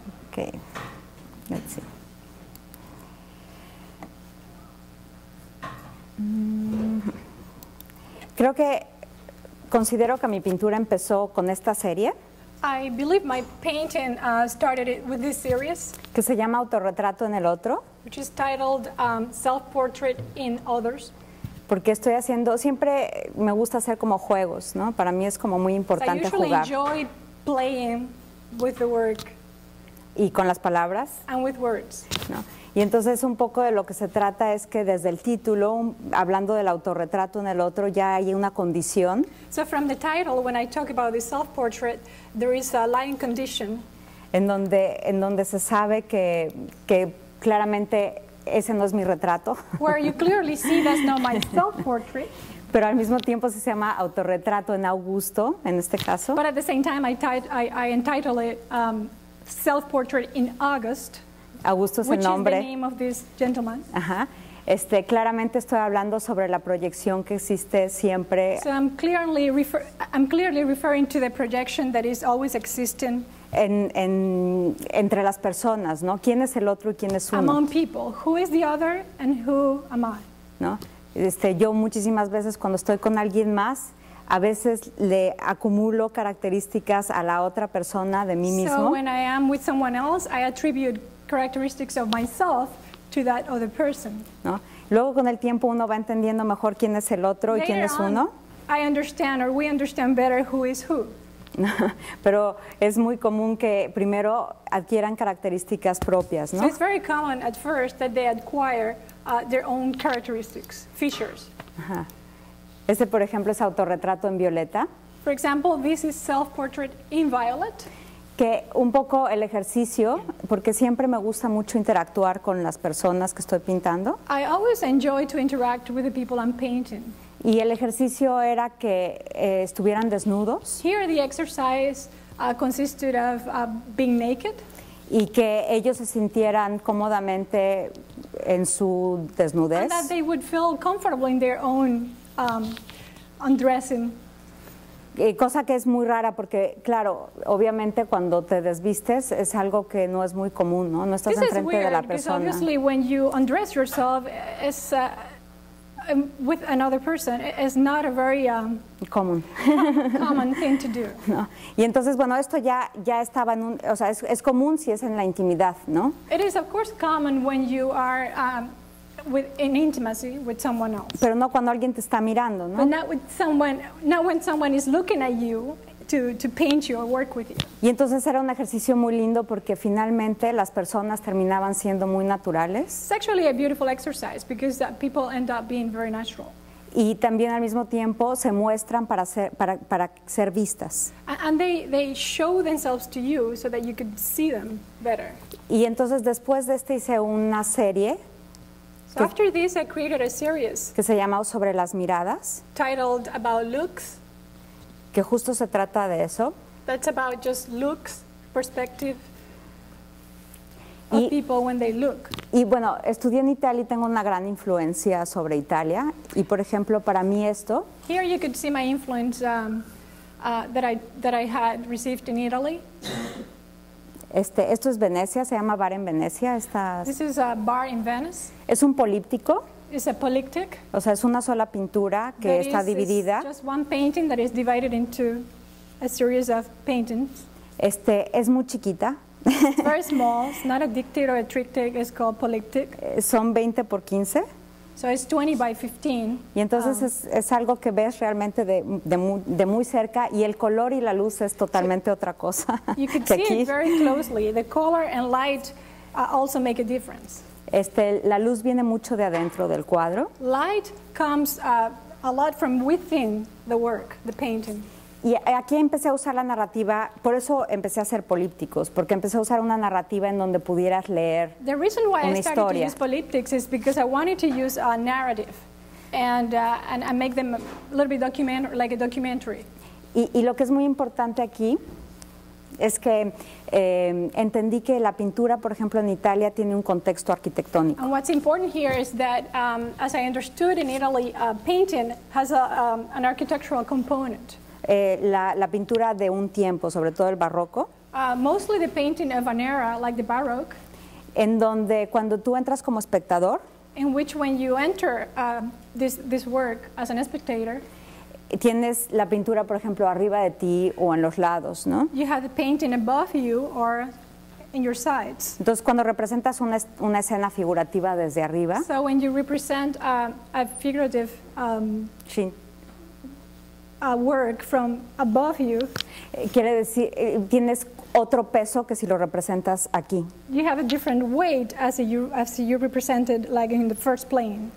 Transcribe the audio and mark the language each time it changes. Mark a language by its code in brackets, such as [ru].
[en] Okay. Let's see. [es] Creo que considero que mi pintura empezó con esta serie. [en] I believe my painting started it with this series. [es] Que se llama Autorretrato en el Otro. [en] Which is titled Self-Portrait in Others. [es] Porque estoy haciendo, siempre me gusta hacer como juegos, ¿no? Para mí es como muy importante jugar. [en] I usually enjoy playing with the work. [es] Y con las palabras. [en] And with words. [es] ¿No? Y entonces un poco de lo que se trata es que desde el título, hablando del autorretrato en el otro, ya hay una condición. [en] So from the title, when I talk about the self-portrait, there is a lying condition. [es] En donde se sabe que claramente ese no es mi retrato. [en] Where you clearly see that's not my self-portrait. [es] Pero al mismo tiempo se llama autorretrato en Augusto, en este caso. [en] But at the same time I entitle it self-portrait in August. [es] Augusto es el nombre. [en] Which is the name of this gentleman. Ajá. [es] Claramente estoy hablando sobre la proyección que existe siempre. [en] So I'm clearly referring to the projection that is always existing. [es] Entre las personas, ¿no? ¿Quién es el otro y quién es uno? [en] Among people, who is the other and who am I? [es] ¿No? Yo muchísimas veces cuando estoy con alguien más, a veces le acumulo características a la otra persona de mí mismo. [en] So when I am with someone else, I attribute characteristics of myself to that other person. [es] ¿No? Luego con el tiempo uno va entendiendo mejor quién es el otro [en] Later [es] y quién es uno. [en] I understand or we understand better who is who. [es] Pero es muy común que primero adquieran características propias, ¿no? [en] So it's very common at first that they acquire their own characteristics, features. Ajá. [es] Por ejemplo, es autorretrato en violeta. [en] For example, this is self-portrait in violet. [es] Que un poco el ejercicio, porque siempre me gusta mucho interactuar con las personas que estoy pintando. [en] I always enjoy to interact with the people I'm painting. [es] Y el ejercicio era que estuvieran desnudos. [en] Here the exercise consisted of being naked. [es] Y que ellos se sintieran cómodamente en su desnudez. [en] And that they would feel comfortable in their own undressing. [es] Cosa que es muy rara porque, claro, obviamente cuando te desvistes es algo que no es muy común, ¿no? No estás [en] This [es] enfrente [en] is weird, [es] de la persona. [en] Because obviously when you undress yourself, it's... with another person is not a very common thing to do. [es] No. Y entonces, bueno, esto ya estaba en un, o sea, es común si es en la intimidad, ¿no? [en] It is of course common when you are in intimacy with someone else. [es] Pero no cuando alguien te está mirando, ¿no? [en] But not when someone is looking at you to paint you or work with you. [es] Y entonces era un ejercicio muy lindo porque finalmente las personas terminaban siendo muy naturales. [en] It's actually a beautiful exercise because people end up being very natural. [es] Y también al mismo tiempo se muestran para ser vistas. [en] And they show themselves to you so that you could see them better. [es] Y entonces después de este hice una serie. [en] So after this I created a series. [es] Que se llamó Sobre las miradas. [en] Titled About Looks. [es] Que justo se trata de eso. [en] That's about just looks, perspective of people when they look. [es] Y bueno, estudié en Italia y tengo una gran influencia sobre Italia. Y por ejemplo, para mí esto. [en] Here you could see my influence that I had received in Italy. [es] Esto es Venecia, se llama Bar en Venecia. [en] This is a bar in Venice. [es] Es un políptico. [en] It's a polyptych. [es] O sea, es una sola pintura que está dividida. [en] It's just one painting that is divided into a series of paintings. [es] Es muy chiquita. [en] It's very small. It's not a diptych or a triptych. It's called polyptych. [es] Son 20 por 15. [en] So it's 20 by 15. [es] Y entonces es algo que ves realmente de muy cerca y el color y la luz es totalmente otra cosa. [en] You can see it very closely. The color and light also make a difference. [es] La luz viene mucho de adentro del cuadro. [en] Light comes a lot from within the work, the painting. [es] Y aquí empecé a usar la narrativa, por eso empecé a hacer polípticos, porque empecé a usar una narrativa en donde pudieras leer [en] The reason why [es] una [en] I started [es] historia. [en] To use polyptics is because I wanted to use a narrative and make them a little bit like a documentary. [es] Y lo que es muy importante aquí es que entendí que la pintura, por ejemplo, en Italia tiene un contexto arquitectónico. [en] And what's important here is that, as I understood in Italy, painting has an architectural component. [es] La pintura de un tiempo, sobre todo el barroco. [en] Mostly the painting of an era, like the Baroque. [es] En donde cuando tú entras como espectador. [en] In which when you enter this work as an spectator. [es] Tienes la pintura, por ejemplo, arriba de ti o en los lados, ¿no? [en] You have the painting above you or in your sides. [es] Entonces, cuando representas una escena figurativa desde arriba. [en] So when you represent a figurative scene. work from above you. [es] Quiere decir, tienes otro peso que si lo representas aquí. [en] You have a different weight as you represented like in the first plane.